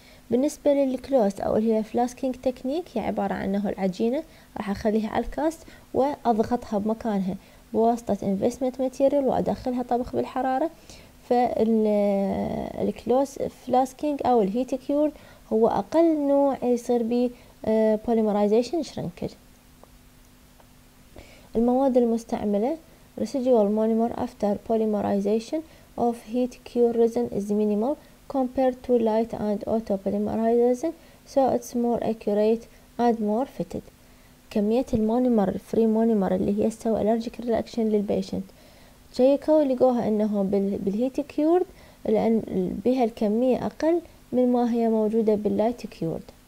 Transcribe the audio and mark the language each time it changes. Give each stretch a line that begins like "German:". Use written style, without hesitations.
Arabic: بالنسبة للكلوست او اللي هي فلاسكينج تكنيك، هي عبارة عن انه العجينة راح اخليها على الكاست واضغطها بمكانها بواسطة انفستمنت ماتيريال وادخلها طبخ بالحرارة، فالكلوست فلاسكينج او الهيت كيور هو اقل نوع يصير بي بوليمرايزيشن شرنكج. المواد المستعملة
English: residual monomer after polymerization of heat cure resin is minimal compared to light and auto polymerization, so it's more accurate and more fitted.
Arabic: كمية المونيمر
English: free monomer
Arabic: اللي هي سوى
English: allergic reaction
Arabic: للبيشنت شيكوا لقوها انه بالheat cured، لان بها الكمية اقل من ما هي موجودة باللايت cured.